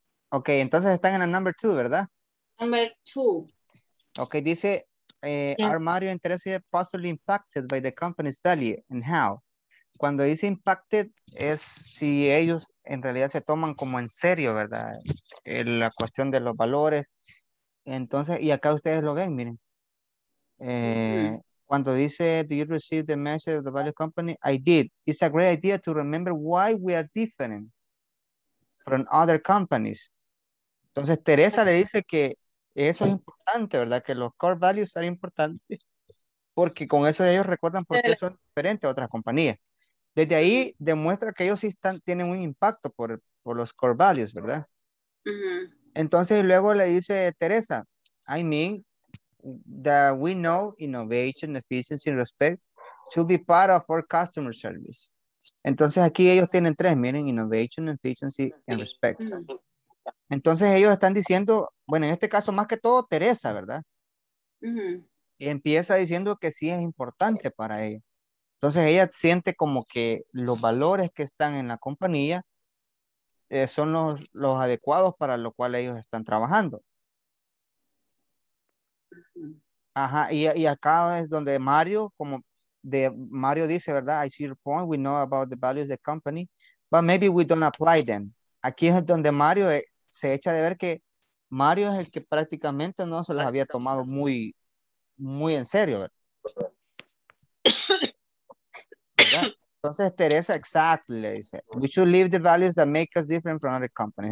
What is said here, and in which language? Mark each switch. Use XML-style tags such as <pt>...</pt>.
<es>Ok, entonces están en el number two, ¿verdad?</es> <en>Number two.</en> <es>Ok, dice, yeah.</es> <en>Are Mario interested possibly impacted by the company's value and how?</en> <es>Cuando dice impacted, es si ellos en realidad se toman como en serio, ¿verdad? La cuestión de los valores. Entonces, y acá ustedes lo ven, miren. Cuando dice,</es> <en>do you receive the message of the value company? I did. It's a great idea to remember why we are different from other companies.</en> <es>Entonces, Teresa le dice que eso es importante, ¿verdad? Que los core values son importantes porque con eso ellos recuerdan por qué son diferentes a otras compañías. Desde ahí demuestra que ellos sí están, tienen un impacto por los core values, ¿verdad? Entonces, luego le dice Teresa,</es> <en>I mean, that we know innovation, efficiency, and respect should be part of our customer service.</en> <es>Entonces, aquí ellos tienen tres, miren, innovation, efficiency, and respect. Entonces, ellos están diciendo, bueno, en este caso, más que todo, Teresa, ¿verdad? Uh-huh. Y empieza diciendo que sí es importante para ella. Entonces, ella siente como que los valores que están en la compañía son los adecuados para lo cual ellos están trabajando. Ajá, y acá es donde Mario, como de Mario dice, ¿verdad?</es> <en>I see your point, we know about the values of the company, but maybe we don't apply them.</en> <es>Aquí es donde Mario se echa de ver que Mario es el que prácticamente no se las había tomado muy, muy en serio, ¿verdad? Entonces Teresa,</es> <en>exactly, le dice, we should leave the values that make us different from other companies.</en>